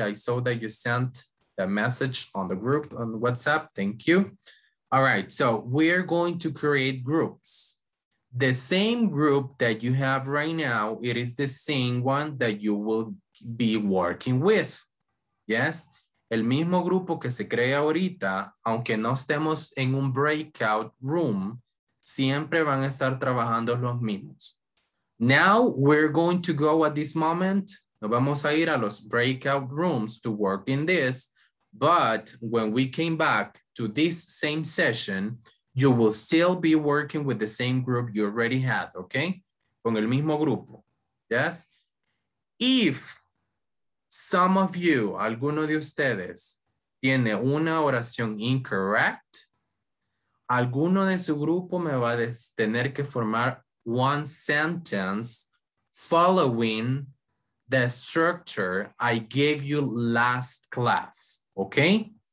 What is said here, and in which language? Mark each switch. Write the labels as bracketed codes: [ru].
[en] I saw that you sent the message on the group on WhatsApp. Thank you. All right, so we're going to create groups. The same group that you have right now, it is the same one that you will be working with. Yes? [es] El mismo grupo que se crea ahorita, aunque no estemos en un breakout room, siempre van a estar trabajando los mismos. [en] Now we're going to go at this moment, [es] nos vamos a ir a los breakout rooms [en] to work in this, but when we came back to this same session, you will still be working with the same group you already had, okay? [es] Con el mismo grupo, yes? [en] If some of you, [es] alguno de ustedes, tiene una oración incorrect, alguno de su grupo me va a tener que formar [en] one sentence following the structure I gave you last class, okay?